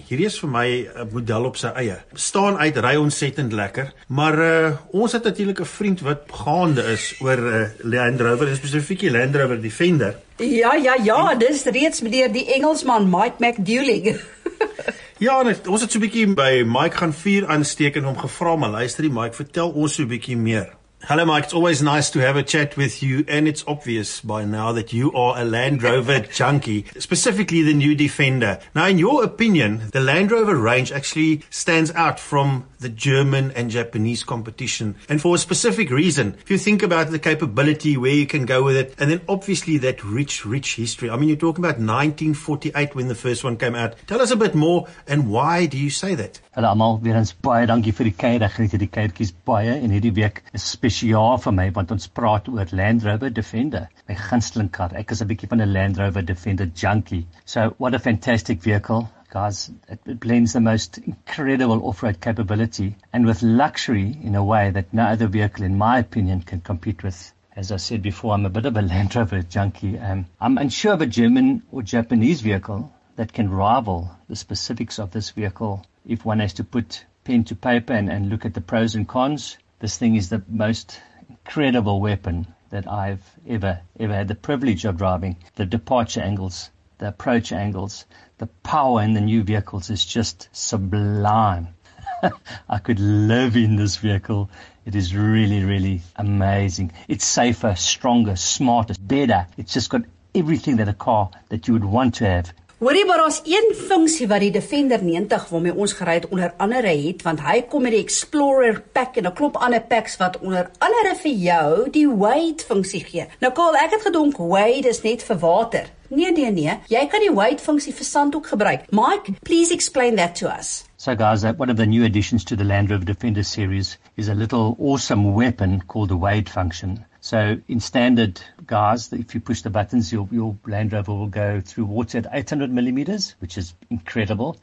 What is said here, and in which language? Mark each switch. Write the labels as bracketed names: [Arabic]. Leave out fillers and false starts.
[Afrikaans] Hierdie is vir my 'n model op sy eie. Staan uit, ry ontsettend lekker, maar ons het natuurlik 'n vriend wat gaande is oor Land Rover, spesifiek die Land Rover Defender. Ja, ja, ja, en, dis reeds meneer die Engelsman Mike McDooling. Ja, en ons het so 'n bietjie by Mike gaan vuur aansteek en hom gevra, maar luister die Mike, vertel ons so 'n bietjie meer. [English] Hello Mike, it's always nice to have a chat with you and it's obvious by now that you are a Land Rover junkie, specifically the new Defender. Now in your opinion, the Land Rover range actually stands out from the German and Japanese competition and for a specific reason. If you think about the capability, where you can go with it and then obviously that rich, rich history. I mean, you're talking about 1948 when the first one came out. Tell us a bit more and why do you say that? [Afrikaans] Hallo almal, weer eens baie dankie vir die kuier. Ek geniet hierdie kuiertjies baie en hierdie week is spesiaal vir my want ons praat oor Land Rover Defender, my gunsteling kar. Ek is 'n bietjie van 'n Land Rover Defender junkie. [English] So, what a fantastic vehicle. Guys, it blends the most incredible off-road capability and with luxury in a way that no other vehicle in my opinion can compete with. As I said before, I'm a bit of a Land Rover junkie. I'm unsure of a German or Japanese vehicle that can rival the specifics of this vehicle. If one has to put pen to paper and look at the pros and cons, this thing is the most incredible weapon that I've ever had the privilege of driving. The departure angles, the approach angles, the power in the new vehicles is just sublime. I could live in this vehicle. It is really, really amazing. It's safer, stronger, smarter, better. It's just got everything that a car that you would want to have. [Afrikaans] Hoorie, maar daar's een funksie wat die Defender 90 waarmee ons gery het onder andere het, want hy kom met die Explorer pack en 'n klomp ander packs wat onder andere vir jou die wade funksie gee. Nou Karl, ek het gedink wade is net vir water. Nee, jy kan die wade funksie vir sand ook gebruik. [English] Mike, please explain that to us. So guys, one of the new additions to the Land Rover Defender series is a little awesome weapon called the wade function. So in standard guys, if you push the buttons, your Land Rover will go through water at 800 millimeters, which is incredible.